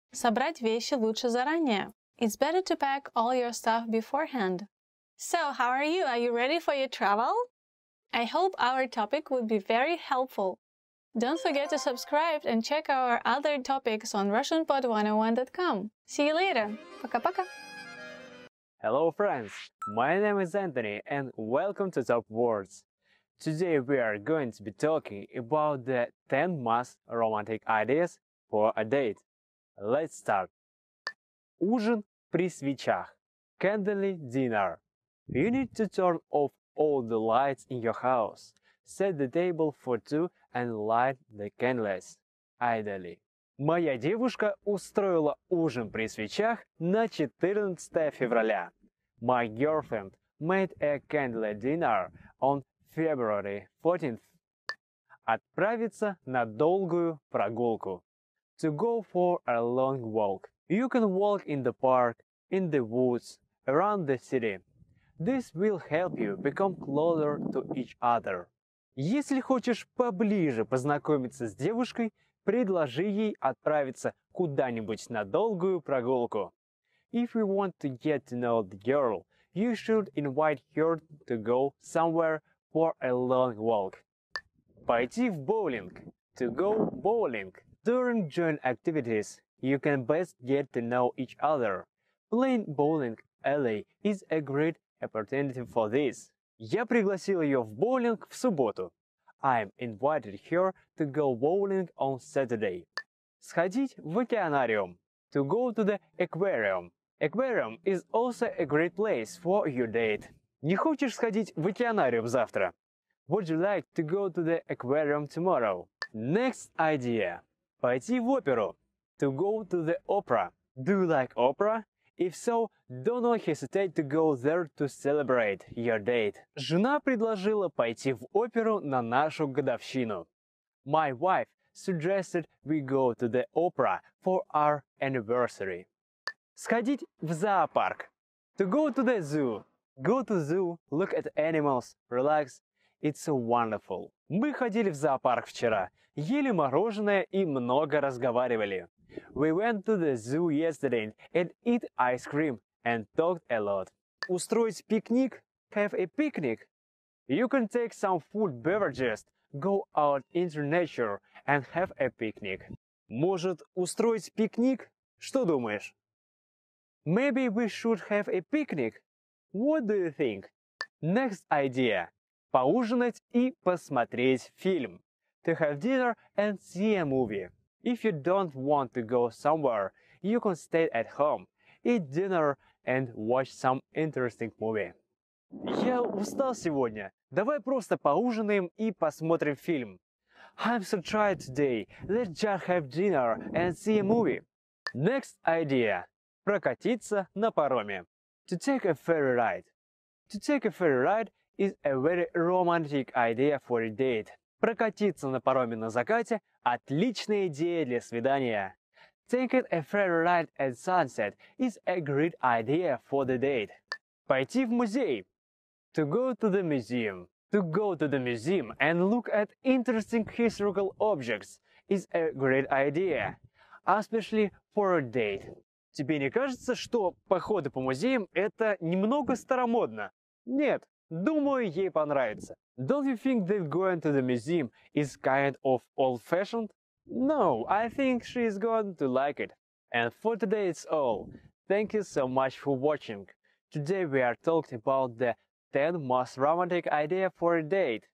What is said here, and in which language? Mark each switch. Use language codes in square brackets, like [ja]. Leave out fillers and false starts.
[ru] Собрать вещи лучше заранее. [en] It's better to pack all your stuff beforehand. So, how are you? Are you ready for your travel? I hope our topic would be very helpful. Don't forget to subscribe and check our other topics on RussianPod101.com. See you later. [ru] Пока-пока. [en] Hello, friends. My name is Anthony, and welcome to Top Words. Today, we are going to be talking about the 10 most romantic ideas for a date. Let's start. [ru] Ужин при свечах. [en] Candle dinner. You need to turn off all the lights in your house. Set the table for two and light the candles. Ideally. [ru] Моя девушка устроила ужин при свечах на 14 февраля. [en] My girlfriend made a candle dinner on February 14th. [ru] Отправиться на долгую прогулку. [en] To go for a long walk. You can walk in the park, in the woods, around the city. This will help you become closer to each other. [ru] Если хочешь поближе познакомиться с девушкой, предложи ей отправиться куда-нибудь на долгую прогулку. [en] If you want to get to know the girl, you should invite her to go somewhere for a long walk. [ru] Пойти в боулинг. [en] To go bowling. During joint activities, you can best get to know each other. Playing bowling alley is a great opportunity for this. [ru] Я пригласил ее в боулинг в субботу. [en] I invited her to go bowling on Saturday. [ru] Сходить в океанариум. [en] To go to the aquarium. Aquarium is also a great place for your date. [ru] Не хочешь сходить в океанариум завтра? [en] Would you like to go to the aquarium tomorrow? Next idea. [ru] Пойти в оперу. [en] To go to the opera. Do you like opera? If so, do not hesitate to go there to celebrate your date. [ru] Жена предложила пойти в оперу на нашу годовщину. [en] My wife suggested we go to the opera for our anniversary. [ru] Сходить в зоопарк. [en] To go to the zoo. Go to the zoo, look at animals, relax. It's so wonderful. [ru] Мы ходили в зоопарк вчера, ели мороженое и много разговаривали. [en] We went to the zoo yesterday and eat ice cream and talked a lot. [ru] Устроить пикник? [en] Have a picnic. You can take some food beverages, go out into nature and have a picnic. [ru] Может, устроить пикник? Что думаешь? [en] Maybe we should have a picnic. What do you think? Next idea. [ru] Поужинать и посмотреть фильм. [en] To have dinner and see a movie. If you don't want to go somewhere, you can stay at home, eat dinner and watch some interesting movie. [ru] Я устал сегодня. Давай просто поужинаем и посмотрим фильм. [en] I'm so tired today. Let's just have dinner and see a movie. Next idea. [ru] Прокатиться на пароме. [en] To take a ferry ride. To take a ferry ride is a very romantic idea for a date. [ru] Прокатиться на пароме на закате – отличная идея для свидания. [en] Taking a ferry ride at sunset is a great idea for the date. [ru] Пойти в музей. [en] To go to the museum. To go to the museum and look at interesting historical objects is a great idea, especially for a date. [ru] Тебе не кажется, что походы по музеям – это немного старомодно? Нет, думаю, ей понравится. [en] Don't you think that going to the museum is kind of old-fashioned? No, I think she is going to like it. And for today it's all. Thank you so much for watching. Today we are talking about the 10 most romantic ideas for a date.